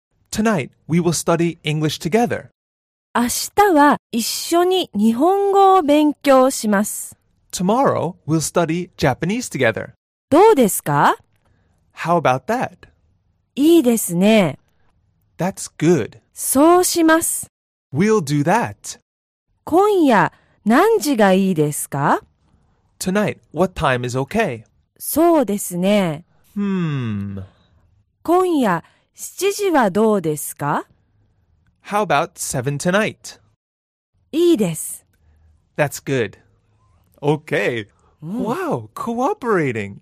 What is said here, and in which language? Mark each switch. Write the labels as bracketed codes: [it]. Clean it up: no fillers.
[en] Tonight, we will study English together. [ja] 明日は一緒に日本語を勉強します。 [en] Tomorrow, we'll study Japanese together. [ja] どうですか？ [en] How about that? [ja] いいですね。 [en] That's good. [ja] そうします。 [en] We'll do that. [ja] 今夜何時がいいですか？ [en] Tonight, what time is okay? [ja] そうですね。今夜7時はどうですか？ [en] How about 7 tonight? [ja] いいです。 [en] That's good. Okay, Wow, cooperating.